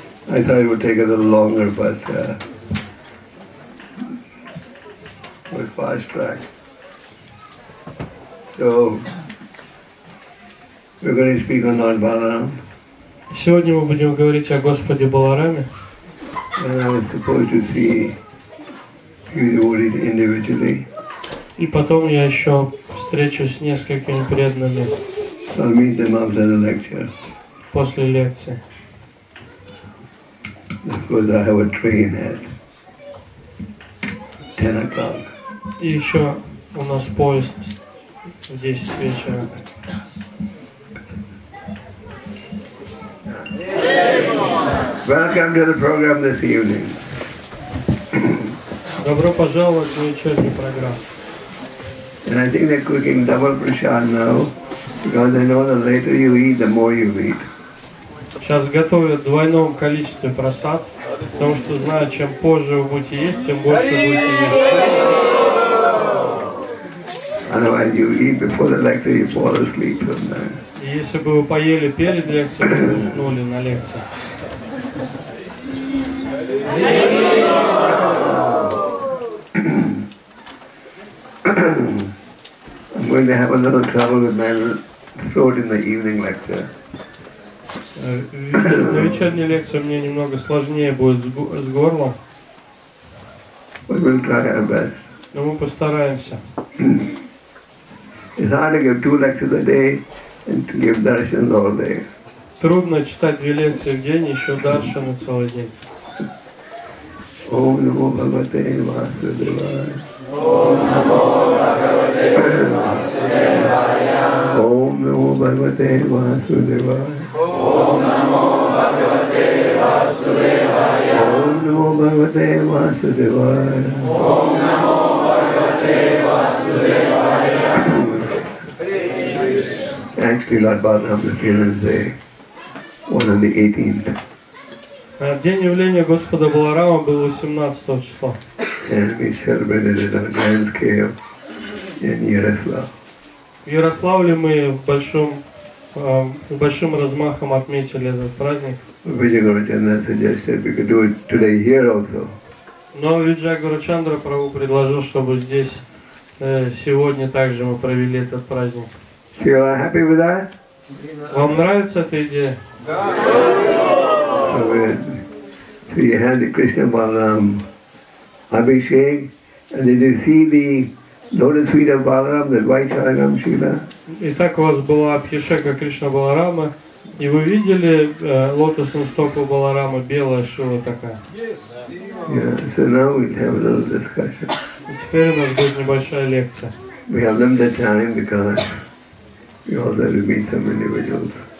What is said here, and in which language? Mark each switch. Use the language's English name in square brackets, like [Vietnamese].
[English] I thought it would take a little longer, but we're fast track. So, we're going to speak on Lord Balaram. [Russian] Сегодня мы будем говорить о Господе Балараме. [English] And I was supposed to see few devotees individually. [Russian] И потом я еще встречусь с несколькими преданными. [English] I'll meet them after the lecture. [Russian] После лекции. [English] Because I have a train at 10 o'clock. [Russian] И еще у нас поезд в 10 вечера. [English] Welcome to the program this evening. [Russian] Добро пожаловать на вечернюю программу. [English] And I think they're cooking double prasad now. Because I know the later you eat, the more you eat. [Russian] Сейчас готовят в двойном количестве просад, потому что знаю, чем позже вы будете есть, тем больше будете есть. [English] Otherwise you eat before the lecture, you fall asleep from there. [Russian] И если бы вы поели перед лекцией, вы уснули на лекции. [English] I'm going to have a little trouble with my throat in the evening lecture. [Russian] На вечерней лекции мне немного сложнее будет с горлом. [English] We will try our best. [Russian] Но мы постараемся. [English] It's hard to give two lectures a day and to give darshans all day. [Russian] Трудно читать две лекции в день и еще даршану целый день. [Sanskrit] Ом намо Бхагавате Васудевая. Ом намо Бхагавате Васудевая. Ом намо Бхагавате Васудевая. Ом намо Бхагавате Васудевая. [English] Actually, Lord Balaram is here on the 18th. [Russian] День явления Господа Баларама был 18 числа. [English] And we celebrated it on a grand scale in Yaroslav. [Russian] В Ярославле мы большим размахом отметили этот праздник. [English] Виджагурачандра suggested we could do it today here also. [Russian] Но Виджагурачандра Прабху предложил, чтобы здесь сегодня также мы провели этот праздник. [English] So you are happy with that? [Russian] Вам нравится эта идея? Да. [English] So you had the Krishna Balaram Abhishek, and did you see the lotus feet of Balaram, the white Charanam Shila? [Russian] Итак, у вас была Абхишека Кришна Баларама, и вы видели лотосную стопу Баларама, белая шила такая? [English] Yes. Yeah. So now we'll have a little discussion. [Russian] Теперь у нас будет небольшая лекция. [English] We have limited time because we also have to meet some individuals.